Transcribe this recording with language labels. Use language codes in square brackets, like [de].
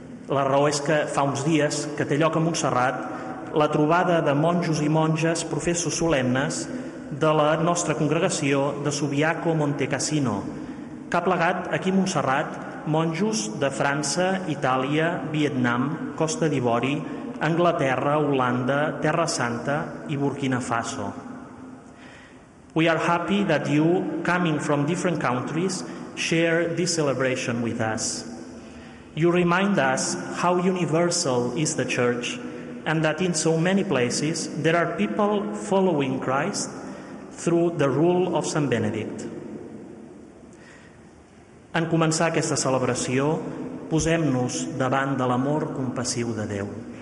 [ca] La raó és que fa uns dies que té lloc a Montserrat la trobada de monjos i monges professos solemnes de la nostra congregació de Subiaco Montecassino, que ha plegat aquí a Montserrat monjos de França, Itàlia, Vietnam, Costa d'Ivori, Anglaterra, Holanda, Terra Santa i Burkina Faso. [en] We are happy that you, coming from different countries, share this celebration with us. You remind us how universal is the Church and that in so many places there are people following Christ through the rule of Saint Benedict. [ca] En començar aquesta celebració, posem-nos davant de l'amor compassiu de Déu.